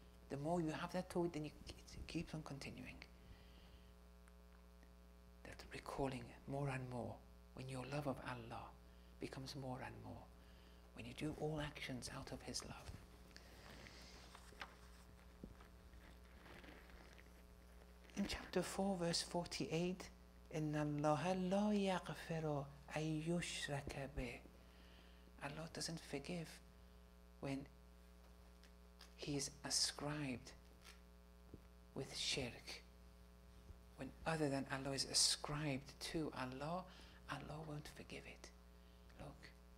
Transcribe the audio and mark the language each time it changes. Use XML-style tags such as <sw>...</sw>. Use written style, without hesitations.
<en>The more you have that tawheed, then it keeps on continuing. That recalling more and more, when your love of Allah becomes more and more. When you do all actions out of His love. In chapter 4, verse 48,</en> <ar>إِنَّ اللَّهَ لَا يَغْفِرُ أَن يُشْرَكَ بِهِ.</ar> <en>Allah doesn't forgive when He is ascribed with shirk. When other than Allah is ascribed to Allah, Allah won't forgive it. Look.</en>